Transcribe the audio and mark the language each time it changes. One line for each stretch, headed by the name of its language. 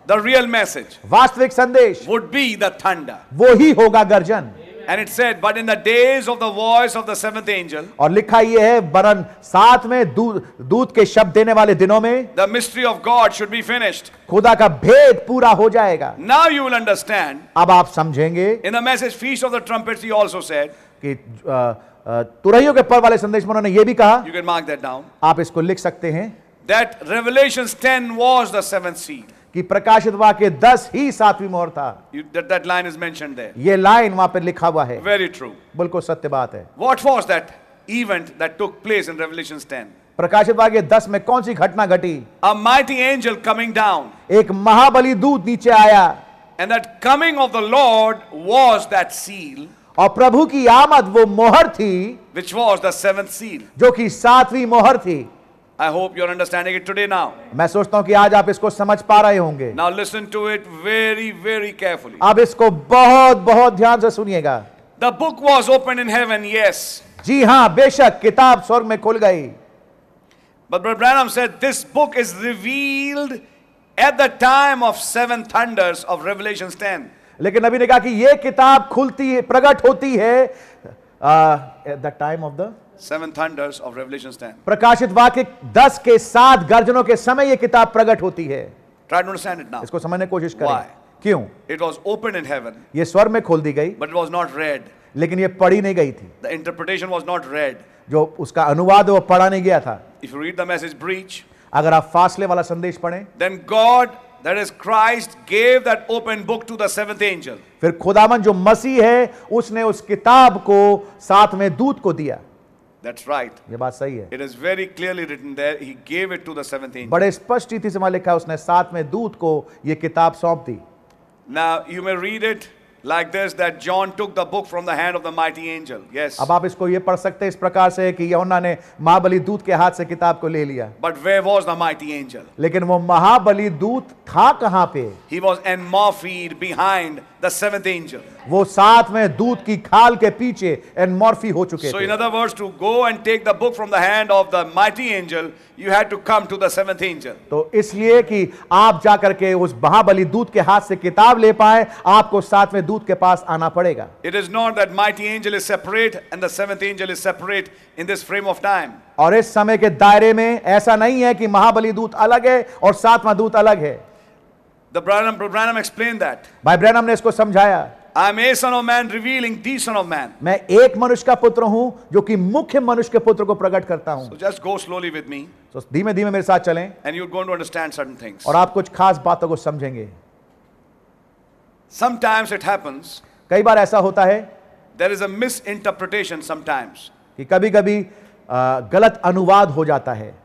English: The real message.
Hindi: वास्तविक संदेश.
English: Would be the thunder.
Hindi: वो ही होगा गर्जन.
English: And it said, but in the days of the voice of the seventh angel.
Hindi: और लिखा ये है बरन साथ में दूत के शब्द देने वाले दिनों में.
English: The mystery of God should be finished.
Hindi: खुदा का भेद पूरा हो जाएगा.
English: Now you will understand.
Hindi: अब आप समझेंगे.
English: In the message feast of the trumpets, he also said.
Hindi: कि तुरहियों के पर वाले संदेश में उन्होंने यह भी कहा.
English: You can mark that down.
Hindi: आप इसको लिख सकते हैं.
English: That Revelation 10 was the seventh seal.
Hindi: कि प्रकाशित वाक्य 10 ही सातवीं मोहर था.
English: That line is mentioned there.
Hindi: ये लाइन वहां पर लिखा हुआ है.
English: Very true.
Hindi: बिल्कुल सत्य बात है.
English: What was that event that took place in Revelation 10?
Hindi: प्रकाशित वाक्य 10 में कौन सी घटना घटी?
English: A mighty angel coming down.
Hindi: एक महाबली दूत नीचे आया.
English: And that coming of the Lord was that seal.
Hindi: और प्रभु की आमद वो मोहर थी.
English: Which was the seventh seal.
Hindi: जो कि सातवीं मोहर थी.
English: I hope you're understanding it today now.
Hindi: मैं सोचता हूं कि आज आप इसको समझ पा रहे होंगे.
English: Now listen to it very, very carefully.
Hindi: आप इसको बहुत बहुत ध्यान से सुनिएगा.
English: The book was opened in heaven, yes.
Hindi: जी हां बेशक किताब स्वर्ग में खुल गई.
English: But Brother Branham said this book is revealed at the time of seven thunders of Revelation 10.
Hindi: लेकिन नबी ने कहा कि ये किताब खुलती है प्रकट होती है
English: At the time of the seven thunders of revelation 10.
Hindi: प्रकाशित वाक्य 10 के सात गर्जनों के समय ये किताब प्रकट होती है.
English: Try to understand it now.
Hindi: इसको समझने की कोशिश करें.
English: Why?
Hindi: क्यों?
English: It was open in heaven.
Hindi: ये स्वर्ग में खोल दी गई.
English: But it was not read.
Hindi: लेकिन ये पढ़ी नहीं गई थी.
English: The interpretation was not read.
Hindi: जो उसका अनुवाद वो पढ़ा नहीं गया था.
English: If you read the message breach.
Hindi: अगर आप फासले वाला संदेश पढ़ें,
English: Then God That is Christ gave that open book to the seventh angel.
Hindi: फिर खुदावन जो मसीह है उसने उस किताब को सातवें दूत को दिया.
English: That's right.
Hindi: ये बात सही है.
English: It is very clearly written there. He gave it to the seventh angel.
Hindi: बड़े स्पष्ट रीति से वहां लिखा है उसने सातवें दूत को ये किताब सौंप दी.
English: Now you may read it like this that John took the book from the hand of the mighty angel. Yes.
Hindi: अब आप इसको ये पढ़ सकते हैं इस प्रकार से कि यहोना ने महाबली दूत के हाथ से किताब को ले लिया.
English: But where was the mighty angel?
Hindi: लेकिन वो महाबली दूत था कहाँ पे?
English: He was enmorphed behind the seventh angel.
Hindi: वो सातवें दूत की खाल के पीछे एनमॉर्फी हो चुके थे.
English: So in other words, to go and take the book from the hand of the mighty angel, you had to come to the seventh angel.
Hindi: तो इसलिए कि आप जाकर के उस महाबली दूत के हाथ से किताब ले पाए, आपको सातवें दूत के पास आना पड़ेगा.
English: It is not that mighty angel is separate and the seventh angel is separate in this frame of time.
Hindi: और इस समय के दायरे में ऐसा नहीं है कि महाबली दूत अलग है और सातवां दूत अलग है.
English: The Branham explained that.
Hindi: भाई ब्रैनम ने इसको समझाया.
English: I am a son of man revealing the son of man.
Hindi: मैं एक मनुष्य का पुत्र हूं जो कि मुख्य मनुष्य के पुत्र को प्रकट करता हूं.
English: So just go slowly with me.
Hindi: So धीमे धीमे मेरे साथ चलें.
English: And you're going to understand certain things.
Hindi: और आप कुछ खास बातों को समझेंगे.
English: Sometimes it happens.
Hindi: कई बार ऐसा होता है.
English: There is a misinterpretation sometimes.
Hindi: कि कभी कभी गलत अनुवाद हो जाता है.